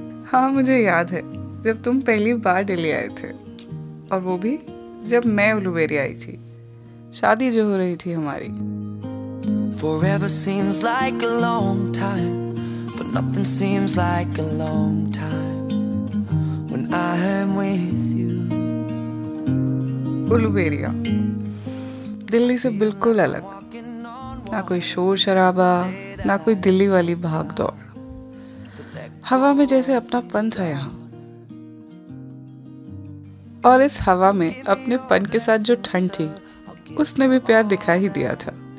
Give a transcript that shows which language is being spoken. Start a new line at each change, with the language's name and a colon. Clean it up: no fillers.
Hindi: हाँ, मुझे याद है जब तुम पहली बार दिल्ली आए थे, और वो भी जब मैं उलुबेरी आई थी, शादी जो हो रही थी हमारी।
English: Forever seems like a long time, but nothing seems like a long time when I am with you.
Hindi: Uluberia Delhi से बिल्कुल अलग, ना कोई शोर शराबा, ना कोई दिल्ली वाली भाग दौड़। हवा में जैसे अपना पन था यहाँ, और इस हवा में अपने पन के साथ जो ठंड थी, उसने भी प्यार दिखा ही दिया था।